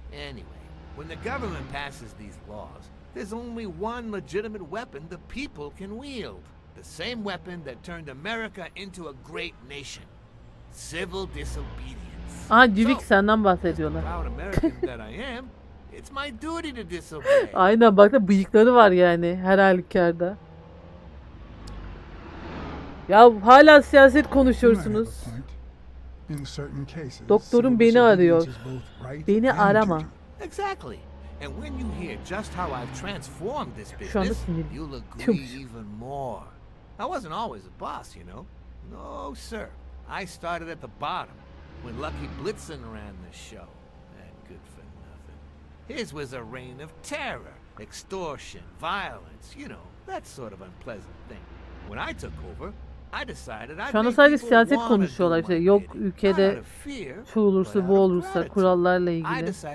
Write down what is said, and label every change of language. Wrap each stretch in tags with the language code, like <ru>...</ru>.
<en>Anyway, when the government passes these laws, there's only one legitimate weapon the people can wield. The same weapon that turned America into a great nation. Civil disobedience.</en> <tr>Aa, Civik senden bahsediyorlar.</tr> <en>As a proud American that I am, it's my duty to disobey.</en> <tr>Aynen bak da bıyıkları var yani her halükarda. Ya hala siyaset konuşuyorsunuz.</tr> <en>In certain cases,</en> <tr>doktorum beni arıyor. Beni arama.</tr> <en>Exactly. And when you hear just how I've transformed this business, you'll agree even more. I wasn't always a boss, you know. No, sir. I started at the bottom when Lucky Blitzen ran the show. And good for nothing. His was a reign of terror, extortion, violence, you know, that sort of unpleasant thing. When I took over,</en> <tr>şu anda sadece siyaset konuşuyorlar işte. Yok ülkede şu olursa bu olursa kurallarla ilgili.</tr>